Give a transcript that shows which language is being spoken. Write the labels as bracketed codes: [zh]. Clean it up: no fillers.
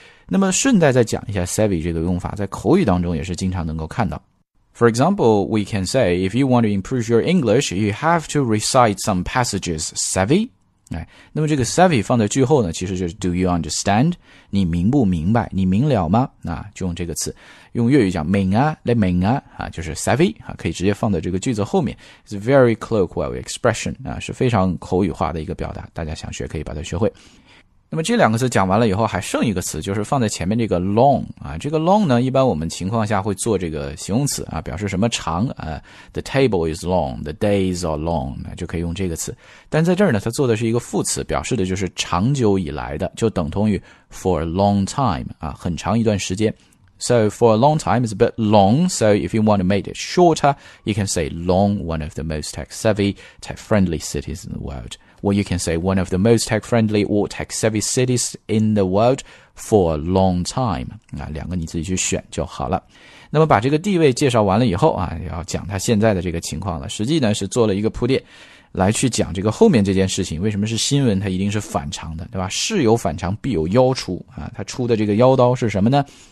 [zh] 那么顺带再讲一下 savvy 这个用法，在口语当中也是经常能够看到。 [en] For example, we can say, if you want to improve your English, you have to recite some passages savvy. [zh] 哎，那么这个 savvy 放在句后呢，其实就是 [en] do you understand？ [zh] 你明不明白？你明了吗？那就用这个词，用粤语讲明啊，来明啊，啊，就是 savvy 啊，可以直接放在这个句子后面。 [en] It's a very colloquial expression [zh] 啊，是非常口语化的一个表达，大家想学可以把它学会。那么这两个词讲完了以后，还剩一个词，就是放在前面这个 long 啊，这个 long 呢，一般我们情况下会做这个形容词啊，表示什么长啊 ， [en] the table is long, the days are long， [zh] 那就可以用这个词。但在这儿呢，它做的是一个副词，表示的就是长久以来的，就等同于 [en] for a long time [zh] 啊，很长一段时间。 [en] So for a long time is a bit long. So if you want to make it shorter, you can say long, one of the most tech savvy, tech friendly cities in the world. Or you can say one of the most tech-friendly or tech-savvy cities in the world for a long time. [zh] 啊，两个你自己去选就好了。那么把这个地位介绍完了以后啊，要讲他现在的这个情况了。实际呢是做了一个铺垫，来去讲这个后面这件事情为什么是新闻，它一定是反常的，对吧？事有反常必有妖出啊，他出的这个妖刀是什么呢？